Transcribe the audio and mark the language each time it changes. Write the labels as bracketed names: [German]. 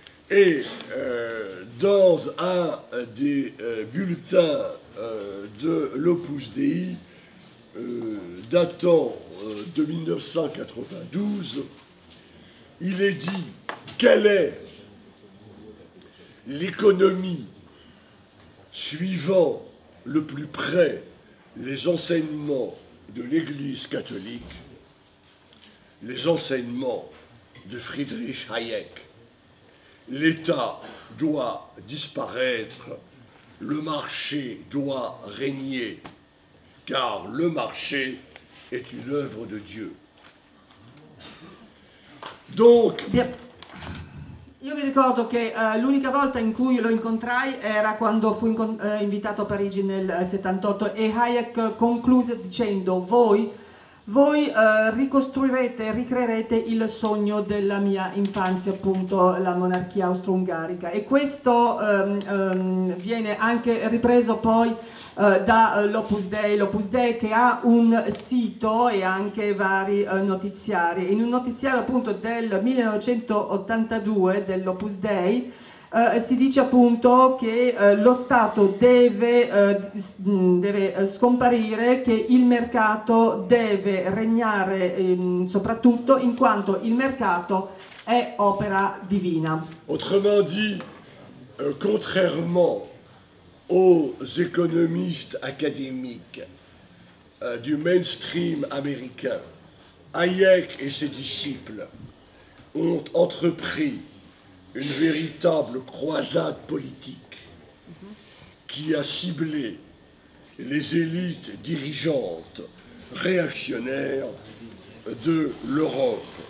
[French] Et dans un des bulletins de l'Opus Dei, datant de 1992, il est dit quelle est l'économie suivant le plus près les enseignements de l'Église catholique, les enseignements de Friedrich Hayek. L'État doit disparaître, le marché doit régner, car le marché est une œuvre de Dieu. Donc... Bien. [Italian] Io mi ricordo che l'unica volta in cui lo incontrai era quando fu invitato a Parigi nel 78 e Hayek concluse dicendo voi ricostruirete, ricreerete il sogno della mia infanzia, appunto la monarchia austro-ungarica. E questo viene anche ripreso poi da l'Opus Dei, l'Opus Dei che ha un sito e anche vari notiziari. In un notiziario appunto del 1982 dell'Opus Dei si dice appunto che lo Stato deve scomparire, che il mercato deve regnare soprattutto in quanto il mercato è opera divina. [French] Autrement dit, contrairement aux économistes académiques du mainstream américain, Hayek et ses disciples ont entrepris une véritable croisade politique qui a ciblé les élites dirigeantes réactionnaires de l'Europe.